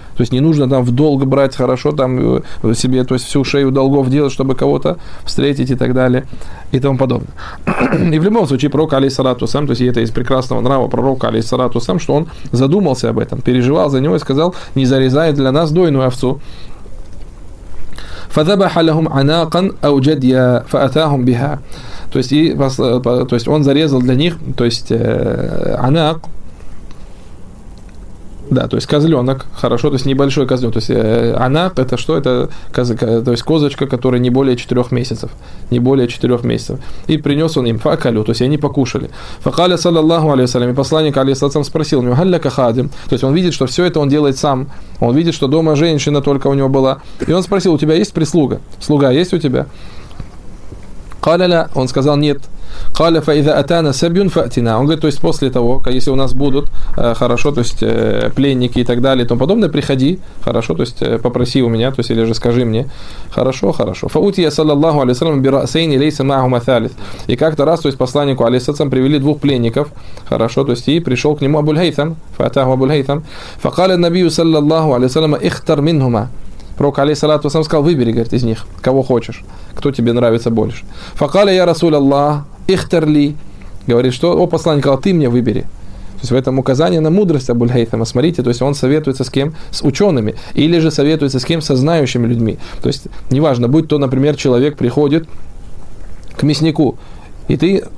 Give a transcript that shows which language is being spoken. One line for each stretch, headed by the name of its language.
Russian: То есть не нужно там в долг брать хорошо, там себе, то есть всю шею долгов делать, чтобы кого-то встретить и так далее, и тому подобное. И в любом случае, пророк алейхиссалату вассалям, то есть это из прекрасного нрава пророка алейхиссалату вассалям, что он задумался об этом, переживал за него и сказал: не зарезай для нас дойную овцу.
Arabic: فذبح لهم عناقا او جديا فاتاهم بها.
Russian: То есть, он зарезал для них, то есть анак, да, то есть козленок, хорошо, то есть небольшой козленок, то есть анак это что? Это то есть козочка, которая не более 4 месяцев, не более 4 месяцев. И принес он им факалю, то есть они покушали. Факаля саллаллаху алейхи ва саллям, и посланник алейхи ва саллям спросил у него:
Arabic: халляка хадим?
Russian: То есть он видит, что все это он делает сам. Он видит, что дома женщина только у него была. И он спросил: у тебя есть прислуга? Слуга есть у тебя? Халяля, он сказал: нет.
Arabic: قال فإذا أتانا سبيون فأتنا.
Russian: Он говорит, то есть после того, если у нас будут хорошо, то есть пленники и так далее и тому подобное, приходи, хорошо, то есть попроси у меня, то есть или же скажи мне, хорошо, хорошо.
Arabic: فأوتي صلى الله عليه وسلم برأسين ليس معهما ثالث.
Russian: И как-то раз, то есть посланнику алейхиссалям привели двух пленников, хорошо, то есть и пришел к нему Абу-л-Хейтам,
Arabic: فأتاه
Russian: Абу-л-Хейтам.
Arabic: فقال النبي صلى الله عليه وسلم اختر منهما.
Russian: Пророк алейхиссалату вассалям сказал: выбери, говорит, из них, кого хочешь, кто тебе нравится больше.
Arabic: Факаля я расуль Аллах, ихтерли.
Russian: Говорит, что, о, посланник Аллах, ты мне выбери. То есть в этом указание на мудрость Абу-л-Хейтама. Смотрите, то есть он советуется с кем? С учеными. Или же советуется с кем? Со знающими людьми. То есть неважно, будь то, например, человек приходит к мяснику, и ты...